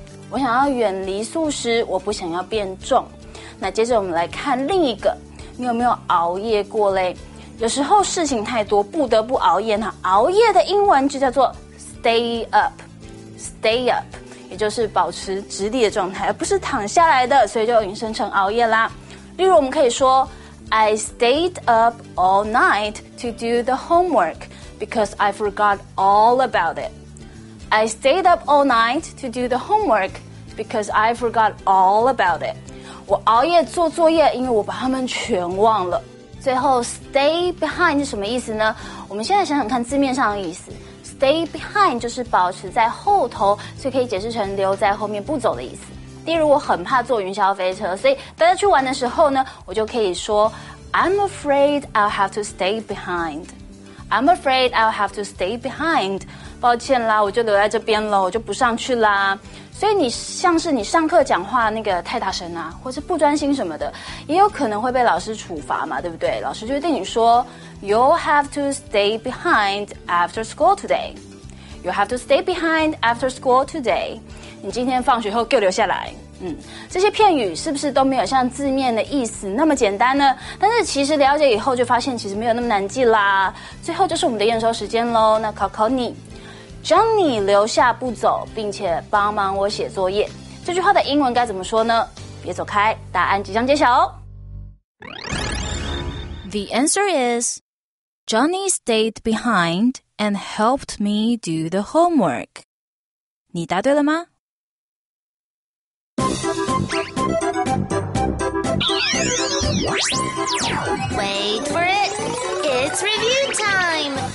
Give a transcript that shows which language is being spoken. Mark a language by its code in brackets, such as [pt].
[zh] 我想要远离素食，我不想要变重。那接着我们来看另一个，你有没有熬夜过嘞？有时候事情太多不得不熬夜，那熬夜的英文就叫做 stay up. Stay up. 也就是保持直立的状态，而不是躺下来的，所以就引申成熬夜啦。例如我们可以说 [en] I stayed up all night to do the homework because I forgot all about it. I stayed up all night to do the homework because I forgot all about it. [zh] 我熬夜做作业，因为我把它们全忘了。最后 stay behind 是什么意思呢？我们现在想想看字面上的意思。 Stay behind 就是保持在后头，所以可以解释成留在后面不走的意思。例如我很怕坐云霄飞车，所以大家去玩的时候呢，我就可以说 [en] I'm afraid I'll have to stay behind. [zh] I'm afraid I'll have to stay behind. 抱歉啦，我就留在这边了，我就不上去啦。所以你像是你上课讲话那个太大声啊，或是不专心什么的，也有可能会被老师处罚嘛，对不对？老师就会对你说 [en] You'll have to stay behind after school today. You have to stay behind after school today. [zh] 你今天放学后给我留下来。这些片语是不是都没有像字面的意思那么简单呢？但是其实了解以后就发现其实没有那么难记啦。最后就是我们的验收时间咯，那考考你，将你留下不走并且帮忙我写作业，这句话的英文该怎么说呢？别走开，答案即将揭晓哦。 [en] The answer is Johnny stayed behind and helped me do the homework. [zh] 你答对了吗？ [en] Wait for it! It's review time!